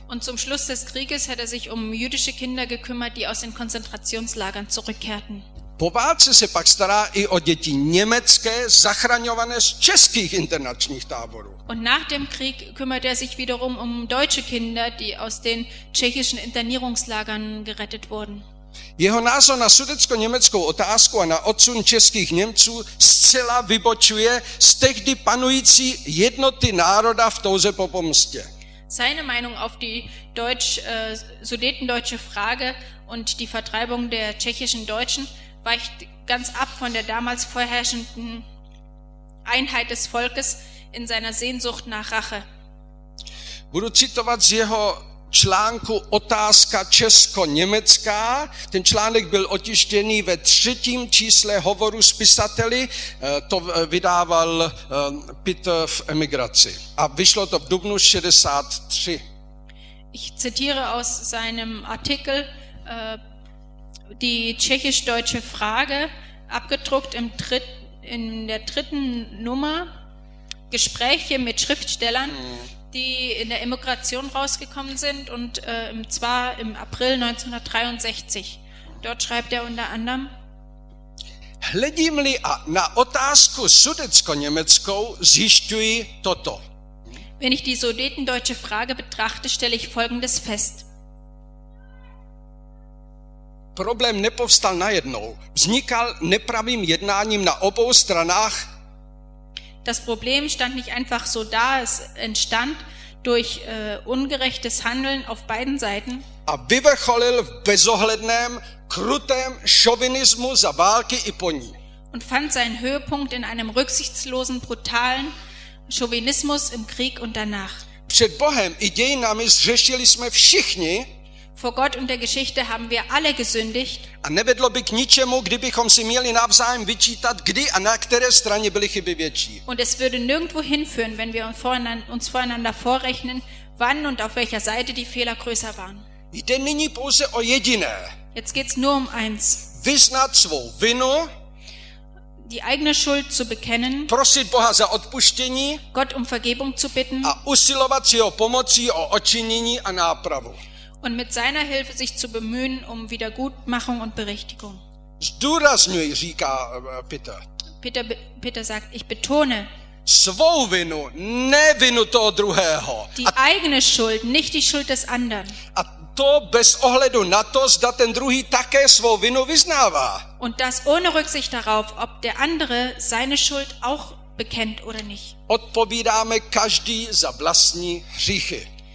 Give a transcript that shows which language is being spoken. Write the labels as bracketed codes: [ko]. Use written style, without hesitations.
[de] Und zum Schluss des Krieges hat sich jüdische Kinder gekümmert, die aus den Konzentrationslagern zurückkehrten. [cs] Po válce se pak stará i o děti německé zachraňované z českých internačních táborů. [de] Und nach dem Krieg kümmert sich wiederum deutsche Kinder, die aus den tschechischen Internierungslagern gerettet wurden. [cs] Jeho názor na sudetsko-německou otázku a na odsun českých Němců zcela vybočuje z tehdy panující jednoty národa v touze po pomstě. [de] Seine Meinung auf die sudetendeutsche Frage und die Vertreibung der tschechischen Deutschen weicht ganz ab von der damals vorherrschenden Einheit des Volkes in seiner Sehnsucht nach Rache. [cs] Budu citovat z jeho článku Otázka Česko-Německá. Ten článek byl otištěný ve třetím čísle Hovoru s pisateli. To vydával Pitt v emigraci. A vyšlo to v dubnu 63. [de] Ich zitiere aus seinem Artikel die tschechisch-deutsche Frage, abgedruckt in der dritten Nummer Gespräche mit Schriftstellern, die in der Emigration rausgekommen sind, und zwar im April 1963. Dort schreibt er unter anderem: [cs] Hledím-li na otázku sudetsko-německou, zjišťuji toto. [de] Wenn ich die sudetendeutsche Frage betrachte, stelle ich Folgendes fest. [cs] Problém nepovstal najednou. Vznikal nepravým jednáním na obou stranách. [de] Das Problem stand nicht einfach so da, es entstand durch ungerechtes Handeln auf beiden Seiten. [cs] A vyvrcholil v bezohledném, krutém šovinismu za války i po ní. [de] Und fand seinen Höhepunkt in einem rücksichtslosen, brutalen Chauvinismus im Krieg und danach. [cs] Před Bohem i dějinami zřešili jsme všichni. [de] Vor Gott und der Geschichte haben wir alle gesündigt. [cs] A nevedlo by k ničemu, kdybychom si měli navzájem vyčítat, kdy a na které straně byly chyby větší. [de] Und es würde nirgendwo hinführen, wenn wir uns voreinander vorrechnen, wann und auf welcher Seite die Fehler größer waren. [cs] Jde nyní pouze o jediné. [de] Jetzt geht's nur eins. [cs] Vyznat svou vinu. [de] Die eigene Schuld zu bekennen. [cs] Prosit Boha za odpuštění. [de] Gott Vergebung zu bitten. [cs] A usilovat si o pomocí, o očinění a nápravu. [de] Und mit seiner Hilfe sich zu bemühen um Wiedergutmachung und Berichtigung. [cs] Zdůrazňuji, říká Peter. [de] Peter sagt, ich betone. [cs] Svou vinu, ne vinu toho druhého. [de] Eigene Schuld, nicht die Schuld des anderen. [cs] A to bez ohledu na to, zda ten druhý také svou vinu vyznává. [de] Und das ohne Rücksicht darauf, ob der andere seine Schuld auch bekennt oder nicht. [cs] Odpovídáme každý za vlastní hříchy.